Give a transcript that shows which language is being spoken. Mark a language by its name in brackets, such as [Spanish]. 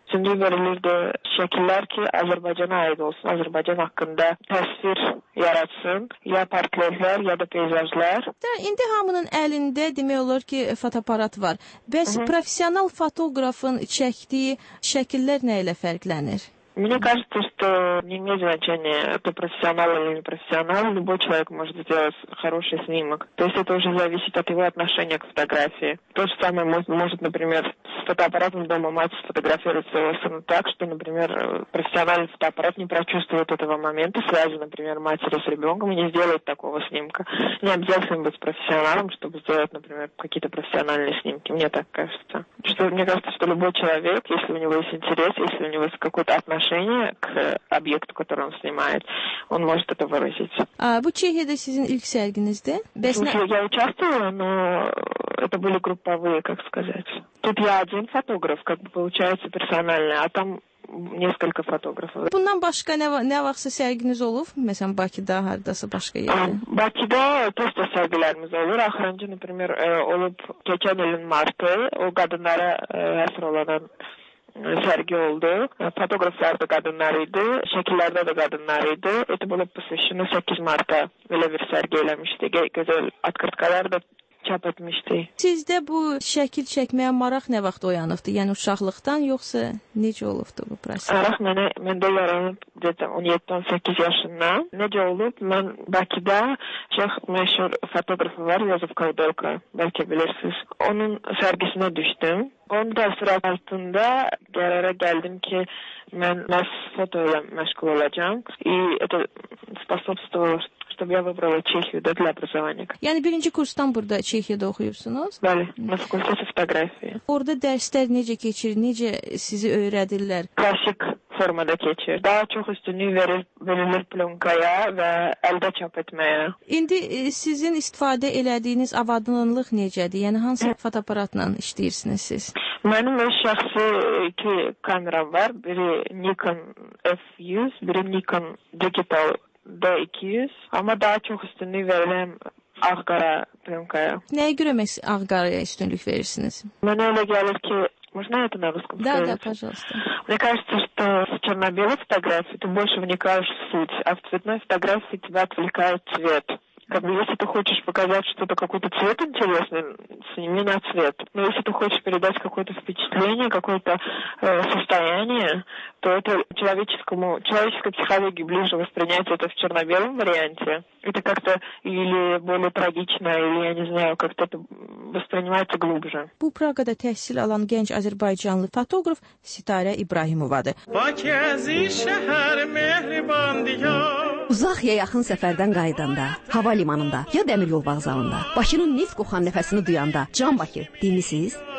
[Azerbaijani] Üçüncü verilirdi şəkillər ki, Azərbaycana aid olsun, Azərbaycan haqqında təsvir yaratsın, ya portretlər, ya da peyzajlar. İndi hamının əlində demək olar ki, fotoaparat var. Bəs professional fotoqrafın çəkdiyi şəkillər nə ilə fərqlənir? [Russian] Мне кажется, что не имеет значения, это профессионал или не профессионал, любой человек может сделать хороший снимок. То есть это уже зависит от его отношения к фотографии. То же самое может, например, с фотоаппаратом дома мать сфотографировать своего сына так, что, например, профессиональный фотоаппарат не прочувствует этого момента, связи, например, матери с ребенком, и не сделает такого снимка. Не обязательно быть профессионалом, чтобы сделать, например, какие-то профессиональные снимки, мне так кажется. Что, мне кажется, что любой человек, если у него есть интерес, если у него есть какое-то отношение, к объекту, который он снимает, он может это выразить. А вы в Чехии, это сезон Ильксельгенес, да? Я участвовала, но это были групповые, как сказать. Тут я один фотограф, как бы получается персональный, а там несколько фотографов. [Azerbaijani] Bundan başqa nə vaxtsa sərginiz olub? Məsələn, Bakıda, haradasa başqa yerdə? Bakıda təkcə sərgilərimiz olur. Axırıncı, например, olub keçən ilin martı, o qadınlara həsr olunan sərgi oldu. Fotoqraflar da qadınlar idi, şəkillərdə də qadınlar idi. [Russian] Это было посвящено 8 марта. [Azerbaijani] Belə bir sərgi eləmişdi. Gözəl atkırtkalar da çap etmişdi. Sizdə bu şəkil çəkməyə maraq nə vaxt oyanıbdı? Yəni uşaqlıqdan yoxsa necə olubdu bu proses? Maraq məndə yaranıb 17-18 yaşında. Necə olub? Mən Bakıda çox məşhur fotoqrafı var, Yozef Kavdolka, bəlkə bilirsiniz. Onun sərgisinə düşdüm. Onun təsiri altında qərara gəldim ki, mən məhz foto ilə məşğul olacağım. [Russian] И это способствовало, чтобы я выбрала Чехию, да, для образования. [Azerbaijani] Yəni, birinci kursdan burada Çexiyada oxuyursunuz? [Russian] Bəli, на факультете фотографии. [Azerbaijani] Orada dərslər necə keçir, necə sizi öyrədirlər? Klasik formada keçir. Daha çox üstünlük verilir plonkaya və əldə çap etməyə. İndi sizin istifadə elədiyiniz avadınlıq necədir? Yəni, hansı fotoaparatla işləyirsiniz siz? Mənim öz şəxsi iki kameram var. Biri Nikon F100, biri Nikon Digital D200. Amma daha çox üstünlük verirəm ağ-qara plonkaya. Nəyə görə məhz ağ-qaraya üstünlük verirsiniz? Mənə elə gəlir ki, [Russian] Можно это на русском да, сказать? Да, да, пожалуйста. Мне кажется, что в черно-белой фотографии ты больше вникаешь в суть, а в цветной фотографии тебя отвлекает цвет. Как бы, если ты хочешь показать что-то, какой-то цвет интересный, сними на цвет. Но если ты хочешь передать какое-то впечатление, какое-то состояние, то это человеческой психологии ближе воспринять это в черно-белом варианте. Это как-то или более трагично, или, я не знаю, как-то это воспринимается глубже. [Azerbaijani] Bu Praqada təhsil alan gənc azərbaycanlı fotoqraf Sitarə İbrahimovadır. Bakı əziz şəhər mehriban diyar. Uzaq ya yaxın səfərdən qayıdanda, hava limanında, ya dəmir yol vağzalında, Bakının neft qoxan nəfəsini duyanda, Can Bakı, deyilmisiniz?